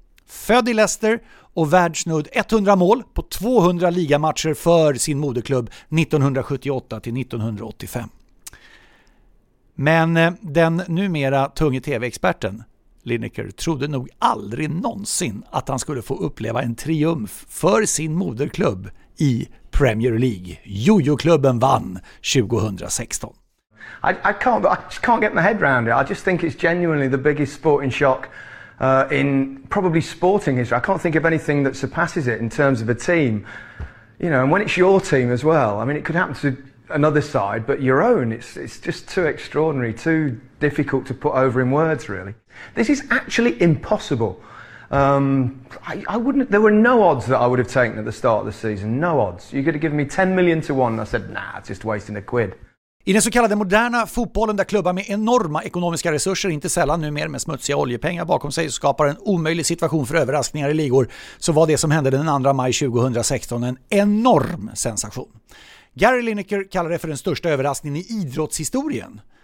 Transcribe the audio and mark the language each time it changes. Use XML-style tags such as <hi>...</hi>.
<sv>Född i Leicester och världsnudd 100 mål på 200 ligamatcher för sin moderklubb 1978-1985. Men den numera tunge tv-experten Lineker trodde nog aldrig någonsin att han skulle få uppleva en triumf för sin moderklubb i Premier League. Jojo-klubben vann 2016.</sv> <en>I just can't get my head around it. I just think it's genuinely the biggest sporting shock in probably sporting history. I can't think of anything that surpasses it in terms of a team. You know, and when it's your team as well. I mean, it could happen to another side, but your own, it's just too extraordinary, too difficult to put over in words, really. This is actually impossible. I wouldn't, there were no odds that I would have taken at the start of the season, no odds. You could have given me 10 million to one, and I said, nah, it's just wasting a quid.</en> <sv>I den så kallade moderna fotbollen, där klubbar med enorma ekonomiska resurser, inte sällan numera med smutsiga oljepengar bakom sig, skapar en omöjlig situation för överraskningar i ligor, så var det som hände den 2 maj 2016 en enorm sensation. Gary Lineker kallar det för den största överraskningen i idrottshistorien.</sv>